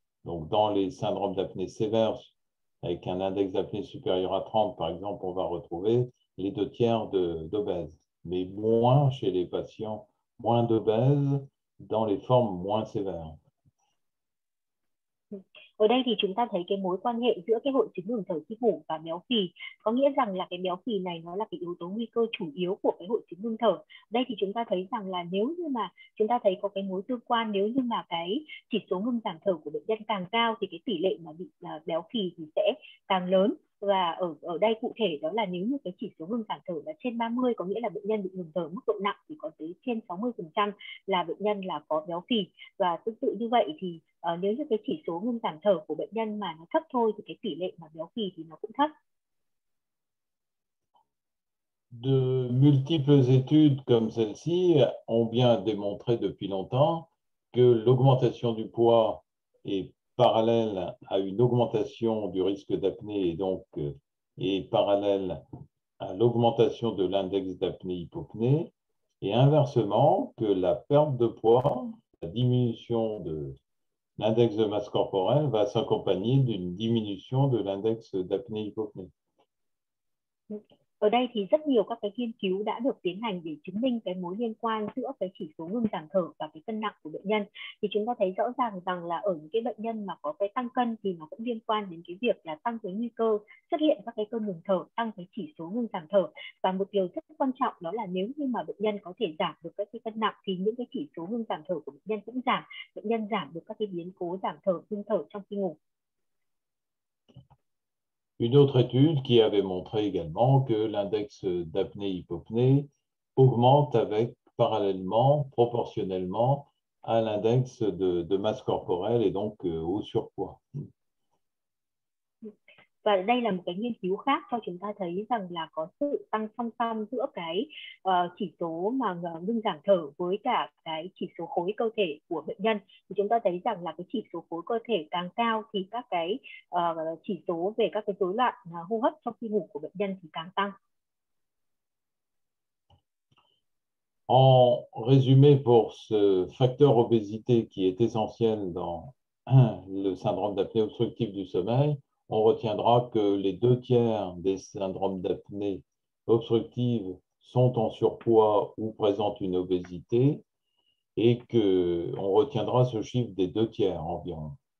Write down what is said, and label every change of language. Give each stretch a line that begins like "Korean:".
French: Donc dans les syndromes d'apnée sévères, avec un index d'apnée supérieur à 30, par exemple, on va retrouver les deux tiers d'obèse. Mais moins chez les patients moins d'obèse dans les formes moins sévères.
Vietnamese: Ở đây thì chúng ta thấy cái mối quan hệ giữa cái hội chứng ngừng thở khi ngủ và béo phì, có nghĩa rằng là cái béo phì này nó là cái yếu tố nguy cơ chủ yếu của cái hội chứng ngừng thở. Đây thì chúng ta thấy rằng là nếu như mà chúng ta thấy có cái mối tương quan, nếu như mà cái chỉ số ngừng giảm thở của bệnh nhân càng cao thì cái tỷ lệ mà bị béo phì thì sẽ càng lớn. Và ở đây cụ thể đó là nếu như cái chỉ số ngừng giảm thở là trên 30, có nghĩa là bệnh nhân bị ngừng thở mức độ nặng, thì có tới trên 60% là bệnh nhân là có béo phì. Và tương tự như vậy thì nếu như cái chỉ số ngừng giảm thở của bệnh nhân mà nó thấp thôi thì cái tỷ lệ mà béo phì thì nó cũng thấp.
French: De multiples études comme celle-ci ont bien démontré depuis longtemps que l'augmentation du poids est parallèle à une augmentation du risque d'apnée et donc est parallèle à l'augmentation de l'index d'apnée-hypopnée, et inversement que la perte de poids, la diminution de l'index de masse corporelle va s'accompagner d'une diminution de l'index d'apnée-hypopnée.
Vietnamese: Ở đây thì rất nhiều các cái nghiên cứu đã được tiến hành để chứng minh cái mối liên quan giữa cái chỉ số ngừng giảm thở và cái cân nặng của bệnh nhân. Thì chúng ta thấy rõ ràng rằng là ở những cái bệnh nhân mà có cái tăng cân thì nó cũng liên quan đến cái việc là tăng cái nguy cơ xuất hiện các cái cơn ngừng thở, tăng cái chỉ số ngừng giảm thở. Và một điều rất quan trọng đó là nếu như mà bệnh nhân có thể giảm được các cái cân nặng thì những cái chỉ số ngừng giảm thở của bệnh nhân cũng giảm, bệnh nhân giảm được các cái biến cố giảm thở, ngừng thở trong khi ngủ.
French: Une autre étude qui avait montré également que l'index d'apnée-hypopnée augmente avec parallèlement, proportionnellement à l'index de masse corporelle et donc au surpoids.
Vietnamese: Và đây là một cái nghiên cứu khác cho chúng ta thấy rằng là có sự tăng song song giữa cái chỉ số mà ngưng giảm thở với cả cái chỉ số khối cơ thể của bệnh nhân. Thì chúng ta thấy rằng là cái chỉ số khối cơ thể càng cao thì các cái chỉ số về các cái rối loạn hô hấp trong khi ngủ của bệnh nhân thì càng tăng.
French: En résumé, pour ce facteur obésité qui est essentiel dans le syndrome d'apnée obstructive du sommeil, on retiendra que les deux tiers des syndromes d'apnée obstructive sont en surpoids ou présentent une obésité et qu'on retiendra ce chiffre des deux tiers environ.